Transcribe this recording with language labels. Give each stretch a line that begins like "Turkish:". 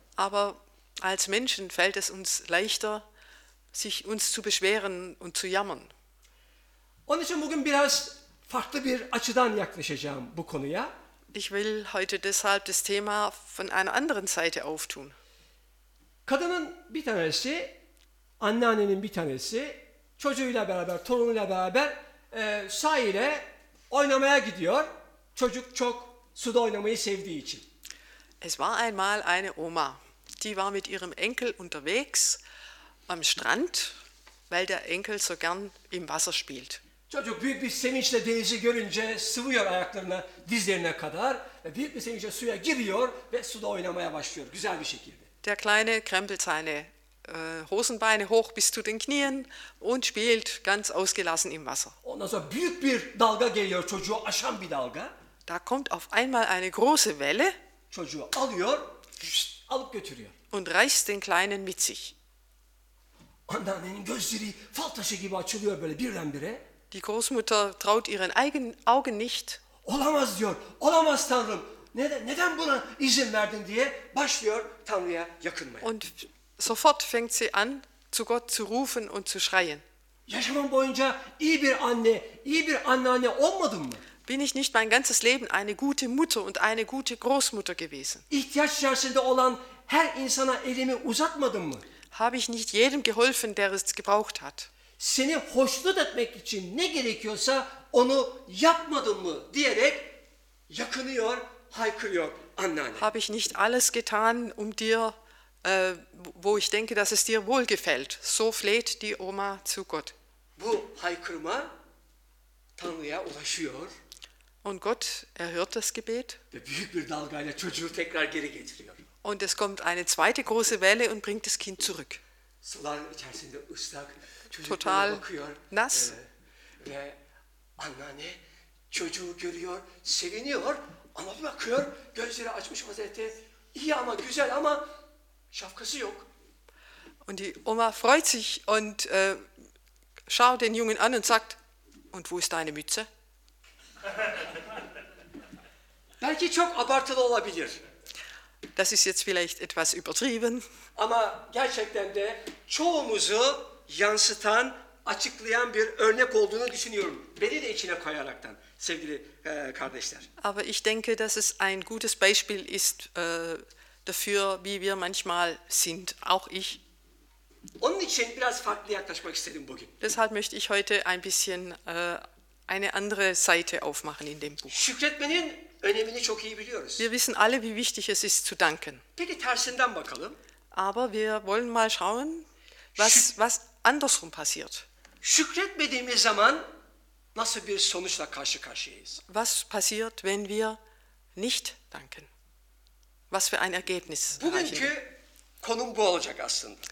German: Aber als Menschen fällt es uns leichter, sich uns zu beschweren und zu jammern.
Turkish: Onun için bugün biraz farklı bir açıdan yaklaşacağım bu konuya.
German: Ich will heute deshalb das Thema von einer anderen Seite auftun.
Turkish: Kadının bir tanesi, anneannenin bir tanesi çocuğuyla beraber, torunuyla beraber sahile oynamaya gidiyor. Çocuk çok suda oynamayı sevdiği için.
German: Es war einmal eine Oma, die war mit ihrem Enkel unterwegs am Strand, weil der Enkel so gern im Wasser spielt.
Turkish: Çocuk büyük bir sevinçle denizi görünce sıvıyor ayaklarına, dizlerine kadar. Büyük bir sevinçle suya giriyor ve suda oynamaya başlıyor. Güzel bir şekilde.
German: Der kleine krempelt seine Hosenbeine hoch bis zu den Knien und spielt ganz ausgelassen im Wasser.
Turkish: Ondan sonra büyük bir dalga geliyor, çocuğu aşan bir dalga.
German: Da kommt auf einmal eine große Welle.
Turkish: Çocuğu alıyor, alıp götürüyor.
German: Und reißt den Kleinen mit sich.
Turkish: Annenin gözleri fal taşı gibi açılıyor böyle birdenbire.
German: Die Großmutter traut ihren eigenen Augen nicht.
Turkish: Olamaz diyor, olamaz Tanrım. Neden buna izin verdin diye başlıyor Tanrı'ya yakınmaya.
German: Und sofort fängt sie an, zu Gott zu rufen und zu schreien.
Turkish: Yaşamım boyunca iyi bir anne, iyi bir anneanne olmadım mı?
German: Bin ich nicht mein ganzes Leben eine gute Mutter und eine gute Großmutter gewesen?
Turkish: İhtiyaç içerisinde olan her insana elimi uzatmadım mı?
German: Habe ich nicht jedem geholfen, der es gebraucht hat?
Turkish: Seni hoşnut etmek için ne gerekiyorsa onu yapmadım mı diyerek yakınıyor, haykırıyor anneanne.
German: Habe ich nicht alles getan, um dir wo ich denke, dass es dir wohl gefällt. So fleht die Oma zu Gott.
Turkish: Bu haykırma Tanrı'ya ulaşıyor.
German: Und Gott erhört das Gebet.
Turkish: Ve büyük bir dalgayla çocuğu tekrar geri getiriyor.
German: Und es kommt eine zweite große Welle und bringt das Kind zurück.
Turkish: Suların içerisinde ıslak,
German: total
Turkish: bakıyor,
German: nass.
Turkish: Ve anneanne çocuğu görüyor, seviniyor ama bir bakıyor, gözleri açmış vaziyette. İyi ama güzel ama şapkası yok.
German: Und die Oma freut sich und schaut den Jungen an und sagt, und wo ist deine Mütze?
Turkish: Belki çok abartılı olabilir.
German: Das ist jetzt vielleicht etwas übertrieben.
Turkish: Ama gerçekten de çoğumuzu yansıtan, açıklayan bir örnek olduğunu düşünüyorum. Beni de içine koyaraktan sevgili kardeşler.
German: Aber ich denke, dass es ein gutes Beispiel ist, dafür, wie wir manchmal sind, auch ich.
Turkish: Onun için biraz farklı yaklaşmak istedim bugün.
German: Deshalb möchte ich heute ein bisschen eine andere Seite aufmachen in dem Buch.
Turkish: Şükretmenin önemini çok iyi biliyoruz.
German: Wir wissen alle, wie wichtig es ist zu danken.
Turkish: Peki tersinden bakalım.
German: Aber wir wollen mal schauen, was andersrum passiert.
Turkish: Şükretmediğimiz zaman nasıl bir sonuçla karşı karşıyayız?
German: Was passiert, wenn wir nicht danken? Was für ein Ergebnis.
Turkish: Bugünkü konum bu olacak aslında.